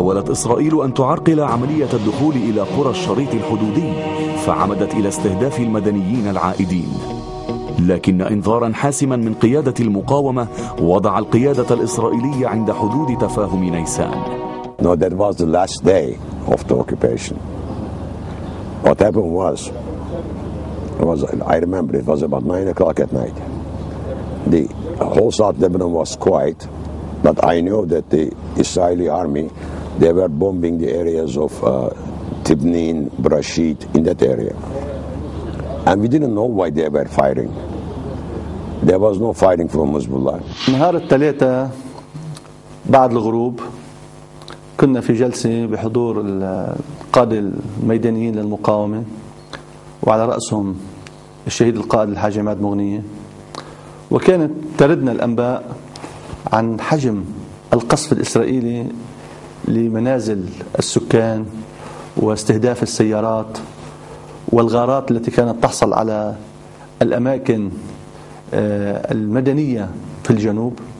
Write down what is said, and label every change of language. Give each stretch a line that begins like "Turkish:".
Arabic: إسرائيل أن تعرقل عملية الدخول إلى قرى الشريط الحدودي، فعمدت إلى استهداف المدنيين العائدين. لكن إنذارا حاسما من قيادة المقاومة وضع القيادة الإسرائيلية عند حدود تفاهم نيسان.
English: No, that was the last day of the occupation. What happened was, I remember it was about 9 o'clock at night. The whole South Lebanon was quiet, but I knew that the Israeli army, they were bombing the areas of Tibnin, Brashit, in that area. And we didn't know why they were firing. There was no firing from Hezbollah.
Arabic: نهار الثلاثاء بعد الغروب كنا في جلسة بحضور القادة الميدانيين للمقاومة وعلى رأسهم الشهيد القائد الحاج عماد مغنية، وكانت تردنا الأنباء عن حجم القصف الإسرائيلي لمنازل السكان واستهداف السيارات والغارات التي كانت تحصل على الأماكن المدنية في الجنوب.